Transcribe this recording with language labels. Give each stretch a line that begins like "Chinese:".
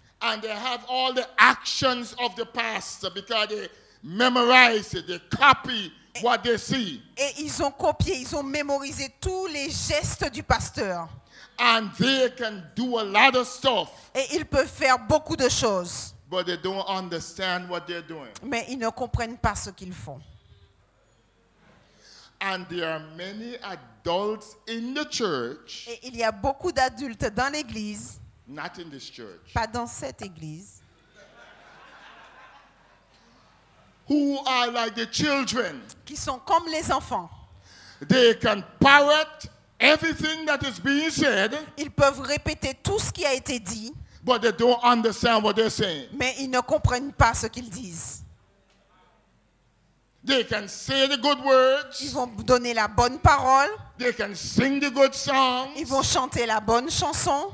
English: And they have all the actions of the pastor because they memorize it, they copy what they see.
French: Et ils ont copié, ils ont mémorisé tous les gestes du pasteur.
English: And they can do a lot of stuff.
French: Et ils peuvent faire beaucoup de choses.
English: But they don't understand what they're doing.
French: Mais ils ne comprennent pas ce qu'ils font.
English: And there are many adults in the church.
French: Et il y a beaucoup d'adultes dans l'église.
English: Not in this church.
French: Pas dans cette église.
English: Who are like the children?
French: Qui sont comme les enfants.
English: They can parrot everything that is being said.
French: Ils peuvent répéter tout ce qui a été dit.
English: But they don't understand what they're saying.
French: Mais ils ne comprennent pas ce qu'ils disent.
English: They can say the good words.
French: Ils vont donner la bonne parole.
English: They can sing the good songs.
French: Ils vont chanter la bonne chanson.